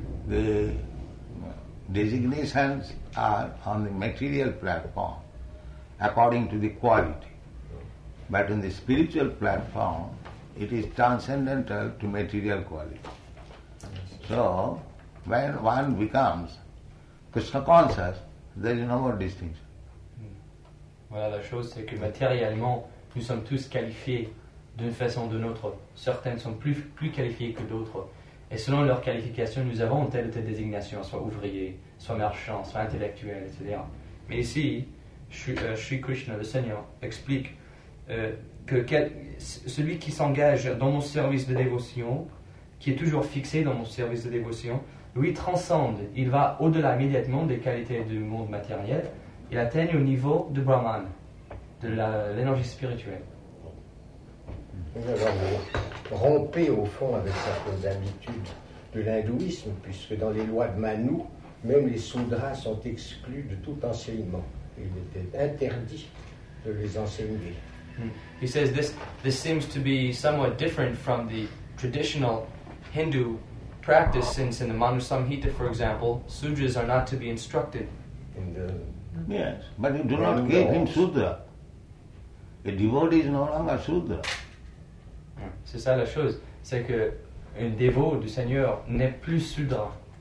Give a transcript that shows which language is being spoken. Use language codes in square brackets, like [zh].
[en] The designations are on the material platform, according to the quality. But in the spiritual platform, it is transcendental to material quality. So, when one becomes Krishna conscious, there is no more distinction. [fr] Voilà la chose, c'est que matériellement, nous sommes tous qualifiés d'une façon ou d'une autre. Certains sont plus qualifiés que d'autres. Et selon leur qualification, nous avons telle ou telle désignation, soit ouvrier, soit marchand, soit intellectuel, etc. Mais ici, Sri Krishna, le Seigneur, explique celui qui s'engage dans mon service de dévotion, qui est toujours fixé dans mon service de dévotion, lui transcende, il va au-delà immédiatement des qualités du monde matériel, il atteigne au niveau de Brahman, de l'énergie spirituelle. Et alors, vous rompez au fond avec certaines habitudes de l'hindouisme, puisque dans les lois de Manu, même les sudras sont exclus de tout enseignement. Il était interdit de les enseigner. [en] He says this seems to be somewhat different from the traditional Hindu practice, since in the Manu Samhita, for example, sudras are not to be instructed. Yes, but you do not give him sudra. A devotee is no longer sudra. [fr] C'est ça la chose, c'est que un dévot du Seigneur n'est plus sudra.